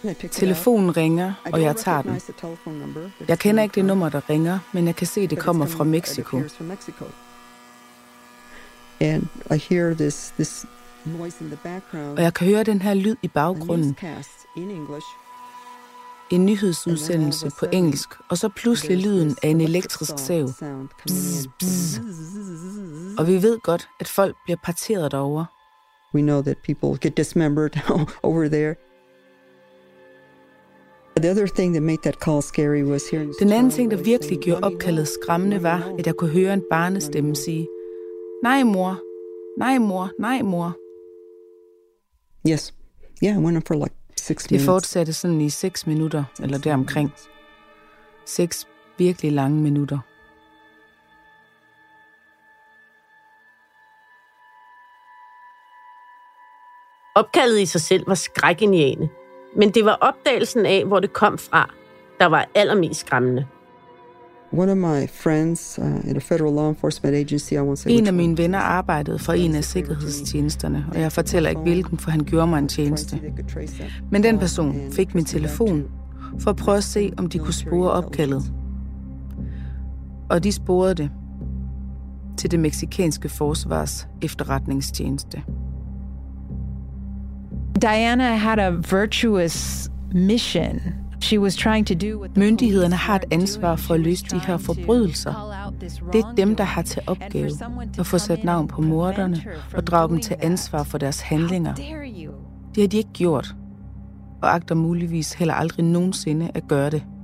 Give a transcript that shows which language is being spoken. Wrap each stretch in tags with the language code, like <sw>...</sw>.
<da>Telefonen ringer, og jeg tager den. Jeg kender ikke det nummer, der ringer, men jeg kan se, at det kommer fra Mexico.</da> <en>And I hear this noise in the background.</en> <da>Og jeg kan høre den her lyd i baggrunden. En nyhedsudsendelse på engelsk, og så pludselig lyden af en elektrisk sav. Bzz, bzz. Og vi ved godt, at folk bliver parteret derover.</da> <en>We know that people get dismembered over there. The other thing that made that call scary was hearing.</en> <da>Den anden ting, der virkelig gjorde opkaldet skræmmende, var, at jeg kunne høre en barnestemme sige, nej mor, nej mor, nej mor.</da> <en>Yes. Yeah, I went on for like 6 minutes.</en> <da>Det fortsatte sådan i 6 minutter, eller deromkring. 6 virkelig lange minutter. Opkaldet i sig selv var skrækindjagende, men det var opdagelsen af, hvor det kom fra, der var allermest skræmmende.</da> <en>One of my friends in a federal law enforcement agency, I won't say.</en> <da>En af mine venner arbejdede for en af sikkerhedstjenesterne, og jeg fortæller ikke hvilken, for han gjorde mig en tjeneste. Men den person fik min telefon for at prøve at se, om de kunne spore opkaldet. Og de sporede det til det mexicanske forsvars efterretningstjeneste.</da> <en>Diana had a virtuous mission. She was trying to do what the</en> <da>myndighederne har et ansvar for at løse de her forbrydelser. Det er dem, der har til opgave at få sat navn på morderne og drage dem til ansvar for deres handlinger. Det har de ikke gjort, og agter muligvis heller aldrig nogensinde at gøre det.</da>